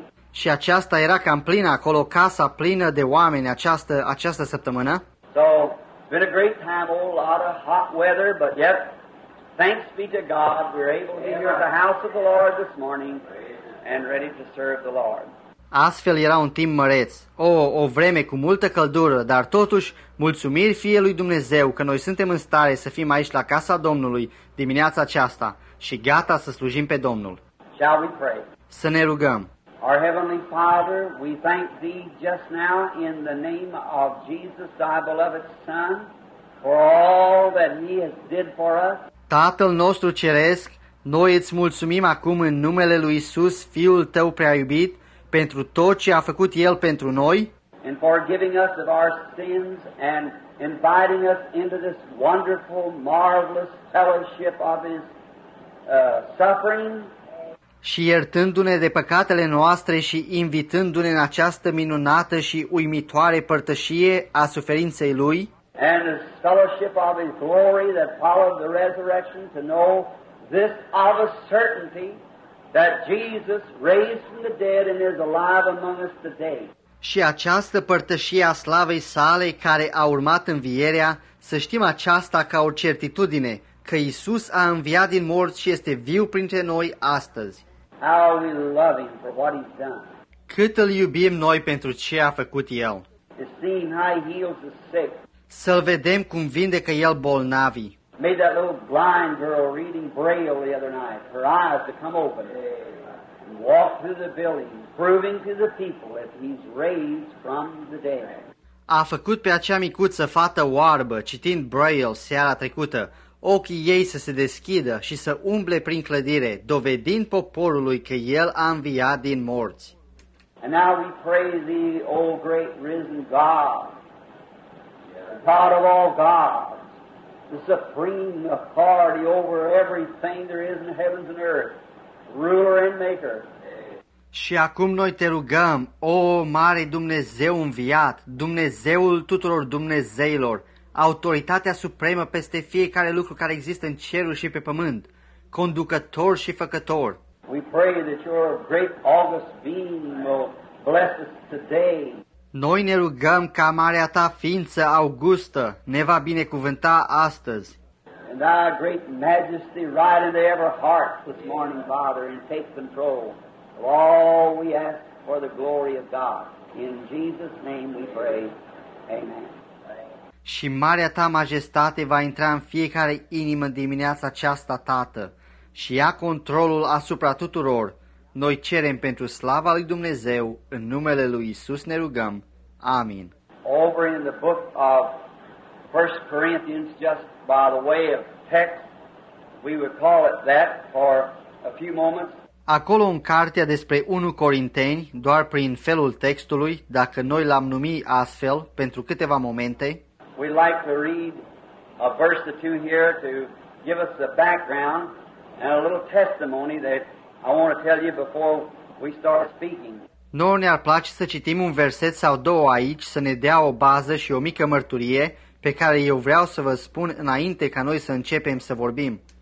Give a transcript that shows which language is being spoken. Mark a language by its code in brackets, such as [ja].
[ro] Și aceasta era cam plină acolo, casa plină de oameni această săptămână. [en] So, been a great time, a lot of hot weather, but yet, thanks be to God, we're able to be here at the house of the Lord this morning and ready to serve the Lord. [ro] Astfel era un timp măreț, o vreme cu multă căldură, dar totuși mulțumiri fie lui Dumnezeu că noi suntem în stare să fim aici la casa Domnului dimineața aceasta și gata să slujim pe Domnul. [en] Shall we pray? [ro] Să ne rugăm. [en] Our Heavenly Father, we thank Thee just now in the name of Jesus, Thy beloved Son, for all that He has did for us. [ro] Tatăl nostru ceresc, noi îți mulțumim acum în numele lui Iisus, Fiul Tău prea iubit, pentru tot ce a făcut El pentru noi [en] and us of our sins and us into this of His suffering. [ro] Și iertându-ne de păcatele noastre și invitându-ne în această minunată și uimitoare părtășie a suferinței Lui. [en] And the fellowship of His glory that followed the resurrection, to know this of a certainty that Jesus raised from the dead and is alive among us today. [ro] Și această părtășie a slavei sale care a urmat învierea, să știm aceasta ca o certitudine, că Iisus a înviat din morți și este viu printre noi astăzi. [en] How we love Him for what He's done. [ro] Cât îl iubim noi pentru ce a făcut El. [en] To see how He heals the sick. [ro] Să-L vedem cum vindecă El bolnavii. [en] Made that little blind girl reading Braille the other night, her eyes to come open. And walk through the building, proving to the people that He's raised from the dead. [ro] A făcut pe acea micuță fată oarbă, citind Braille seara trecută, ochii ei să se deschidă și să umble prin clădire, dovedind poporului că El a înviat din morți. [en] And now we praise Thee, O great risen God, the God of all gods, the supreme authority over everything there is in heavens and earth, ruler and maker. [ro] Și acum noi te rugăm, O mare Dumnezeu înviat, Dumnezeul tuturor dumnezeilor, autoritatea supremă peste fiecare lucru care există în cerul și pe pământ, conducător și făcător. [en] We pray that your great august being will bless us today. [ro] Noi ne rugăm ca marea ta ființă augustă ne va binecuvânta astăzi. [en] And thy great majesty ride into every heart this morning, Father, and take control of all we ask for the glory of God. In Jesus' name we pray. Amen. [ro] Și marea ta majestate va intra în fiecare inimă dimineața aceasta, Tată, și ia controlul asupra tuturor. Noi cerem pentru slava lui Dumnezeu, în numele lui Iisus ne rugăm. Amin. [en] Over in the book of 1 Corinthians, just by the way of text, we would call it that for a few moments. [ro] Acolo în cartea despre 1 Corinteni, doar prin felul textului, dacă noi l-am numit astfel, pentru câteva momente, [en] we'd like to read a verse or two here to give us the background and a little testimony that I want to tell you before we start speaking. [ro] Noi ne-ar place să citim un verset sau două aici să ne dea o bază și o mică mărturie pe care eu vreau să vă spun înainte ca noi să începem să vorbim.